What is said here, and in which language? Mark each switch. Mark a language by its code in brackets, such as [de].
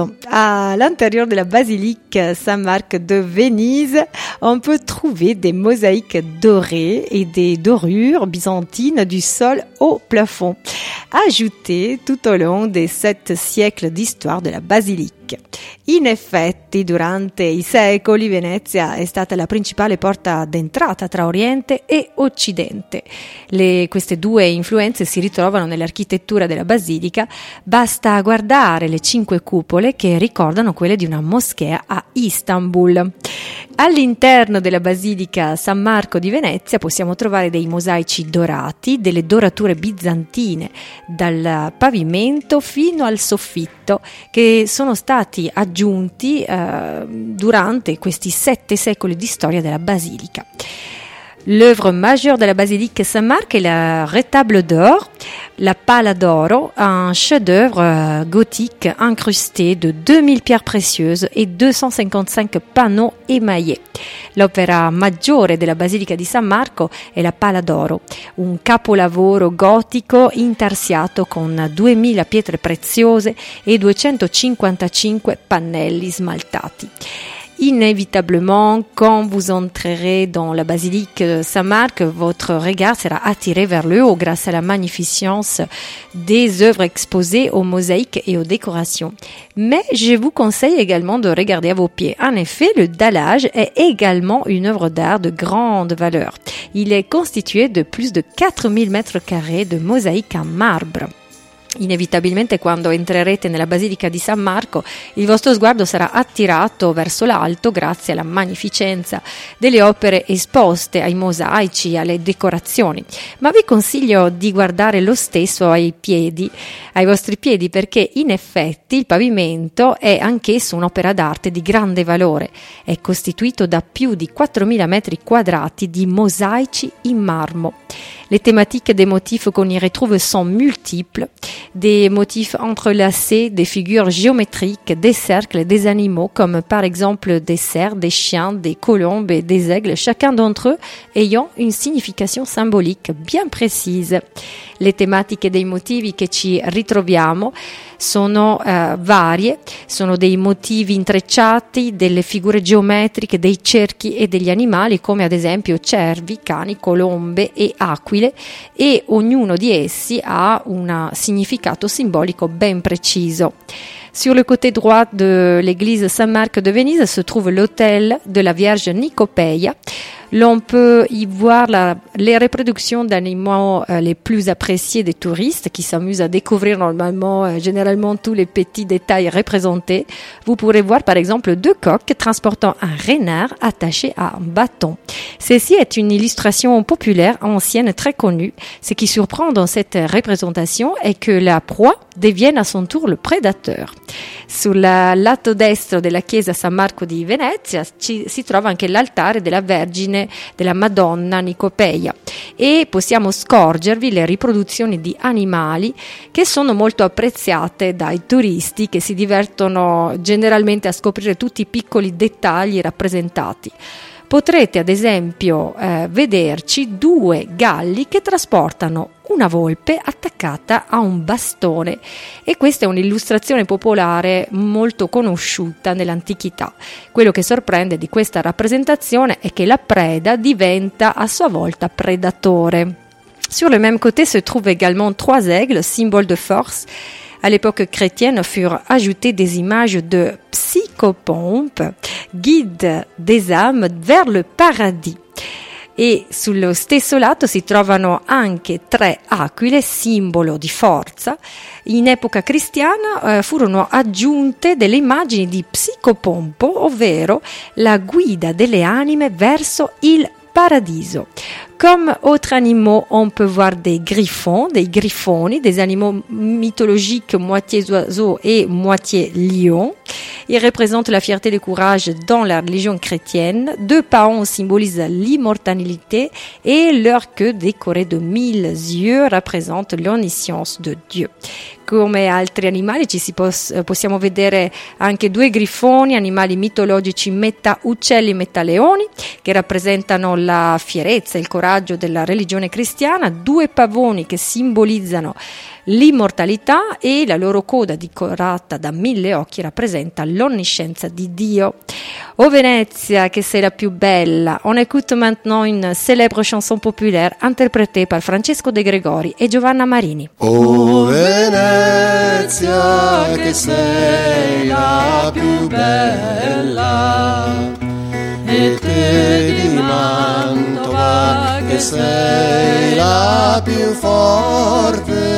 [fr] À l'intérieur de la basilique Saint-Marc de Venise, on peut trouver des mosaïques dorées et des dorures byzantines du sol au plafond, ajoutées tout au long des sept siècles d'histoire de la basilique. [it] antiche. In effetti, durante i secoli, Venezia è stata la principale porta d'entrata tra Oriente e Occidente. Queste due influenze si ritrovano nell'architettura della Basilica. Basta guardare le cinque cupole che ricordano quelle di una moschea a Istanbul. All'interno della Basilica San Marco di Venezia possiamo trovare dei mosaici dorati, delle dorature bizantine, dal pavimento fino al soffitto, che sono stati aggiunti durante questi sette secoli di storia della Basilica. [fr] L'œuvre majeure della Basilique Saint-Marc est le retable d'or, la pala d'oro, un chef-d'œuvre gothique incrusté de 2000 pierres précieuses et 255 panneaux émaillés. [it] L'opera maggiore della Basilica di San Marco è la pala d'oro, un capolavoro gotico intarsiato con 2000 pietre preziose e 255 pannelli smaltati. [fr] Inévitablement, quand vous entrerez dans la basilique Saint-Marc, votre regard sera attiré vers le haut grâce à la magnificence des œuvres exposées aux mosaïques et aux décorations. Mais je vous conseille également de regarder à vos pieds. En effet, le dallage est également une œuvre d'art de grande valeur. Il est constitué de plus de 4000 mètres carrés de mosaïques en marbre. [it] Inevitabilmente, quando entrerete nella Basilica di San Marco, il vostro sguardo sarà attirato verso l'alto grazie alla magnificenza delle opere esposte, ai mosaici, alle decorazioni. Ma vi consiglio di guardare lo stesso ai vostri piedi, perché in effetti il pavimento è anch'esso un'opera d'arte di grande valore. È costituito da più di 4000 metri quadrati di mosaici in marmo. [fr] Les thématiques des motifs qu'on y retrouve sont multiples, des motifs entrelacés, des figures géométriques, des cercles, des animaux, comme par exemple des cerfs, des chiens, des colombes et des aigles, chacun d'entre eux ayant une signification symbolique bien précise. [it] Le tematiche dei motivi che ci ritroviamo sono varie, sono dei motivi intrecciati, delle figure geometriche, dei cerchi e degli animali, come ad esempio cervi, cani, colombe e aquile, e ognuno di essi ha un significato simbolico ben preciso. [fr] Sur le côté droit de l'église Saint-Marc de Venise se trouve l'hôtel de la Vierge Nicopeia. L'on peut y voir les reproductions d'animaux les plus appréciés des touristes qui s'amusent à découvrir normalement, généralement, tous les petits détails représentés. Vous pourrez voir par exemple deux coqs transportant un renard attaché à un bâton. Ceci est une illustration populaire, ancienne, très connue. Ce qui surprend dans cette représentation est que la proie devienne à son tour le prédateur. [it] Sul lato destro della chiesa San Marco di Venezia si trova anche l'altare della Vergine della Madonna Nicopeia e possiamo scorgervi le riproduzioni di animali che sono molto apprezzate dai turisti che si divertono generalmente a scoprire tutti i piccoli dettagli rappresentati. Potrete ad esempio vederci due galli che trasportano una volpe attaccata a un bastone e questa è un'illustrazione popolare molto conosciuta nell'antichità. Quello che sorprende di questa rappresentazione è che la preda diventa a sua volta predatore. [fr] Sur le même côté se trouve également trois aigles, symbole de force. À l'époque chrétienne furent ajoutées des images de psychopompe, guide des âmes vers le paradis. [it] E sullo stesso lato si trovano anche tre aquile, simbolo di forza. In epoca cristiana furono aggiunte delle immagini di psicopompo, ovvero la guida delle anime verso il paradiso. [fr] Comme autres animaux, on peut voir des griffons, des griffoni, des animaux mythologiques moitié oiseaux et moitié lions. Ils représentent la fierté et le courage dans la religion chrétienne. Deux paons symbolisent l'immortalité et leur queue décorée de 1000 yeux représente l'omniscience de Dieu. [it] Come altri animali possiamo vedere anche due grifoni, animali mitologici metà uccelli metà leoni, che rappresentano la fierezza e il coraggio della religione cristiana, due pavoni che simbolizzano l'immortalità e la loro coda decorata da mille occhi rappresenta l'onniscienza di Dio. O Venezia, che sei la più bella, [fr] on écoute maintenant une célèbre chanson populaire interprétée par Francesco De Gregori e Giovanna Marini. [it] O Venezia, che sei la più bella, e te di Mantova, che sei la più forte,